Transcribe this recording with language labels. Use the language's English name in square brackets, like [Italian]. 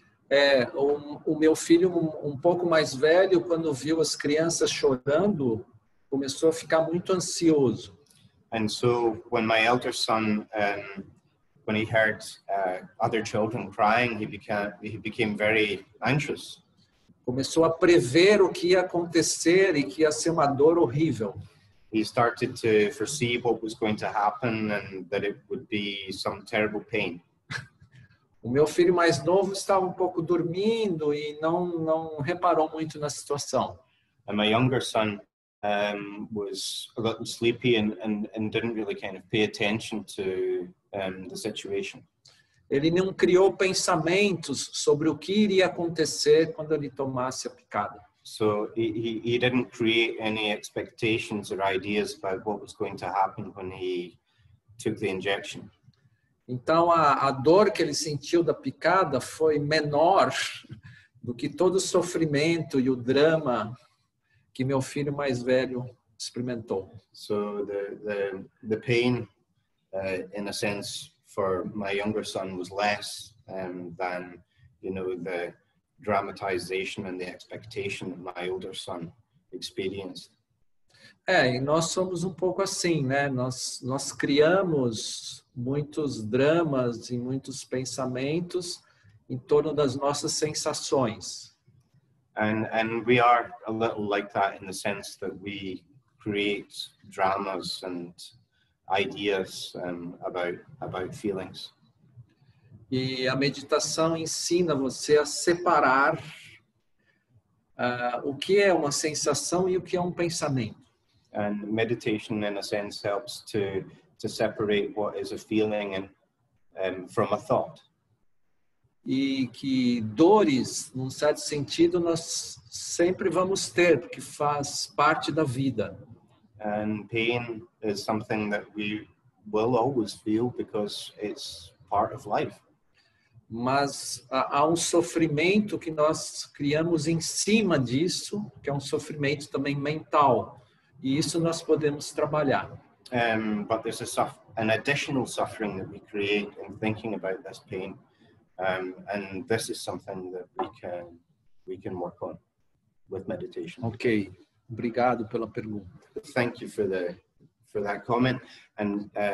[Portuguese] É, o meu filho um pouco mais velho, quando viu as crianças chorando, começou a ficar muito ansioso. [English] And so when my elder son when he heard other children crying, he became very anxious. [Portuguese] Começou a prever o que ia acontecer e que ia ser uma dor horrível. [English] He started to foresee what was going to happen and that it would be some terrible pain. [Portuguese] O meu filho mais novo estava um pouco dormindo e não reparou muito na situação. [English] And my younger son was a little sleepy and didn't really kind of pay attention to the situation. [Portuguese] Ele não criou pensamentos sobre o que iria acontecer quando ele tomasse a picada. [English] So he didn't create any expectations or ideas about what was going to happen when he took the injection. [Portuguese] Então a dor que ele sentiu da picada foi menor do que todo o sofrimento e o drama que meu filho mais velho experimentou. [English] So the pain in a sense for my younger son was less than, you know, the dramatization and the expectation that my older son experienced. [Portuguese] É, e nós somos um pouco assim, né? Nós criamos muitos dramas e muitos pensamentos em torno das nossas sensações. [English] And we are a little like that in the sense that we create dramas and ideas about feelings. [Portuguese] E a meditação ensina você a separar o que é uma sensação e o que é um pensamento. [English] And meditation in a sense helps to separate what is a feeling and from a thought. [Portuguese] E que dores, num certo sentido, nós sempre vamos ter, porque faz parte da vida. [English] And pain is something that we will always feel because it's part of life. [Portuguese] Mas há um sofrimento que nós criamos em cima disso, que é um sofrimento também mental. E isso nós podemos trabalhar. [English] But there's an additional suffering that we create in thinking about this pain. And this is something that we can work on with meditation. [Portuguese] Okay. Obrigado pela pergunta. [English] Thank you for that comment. And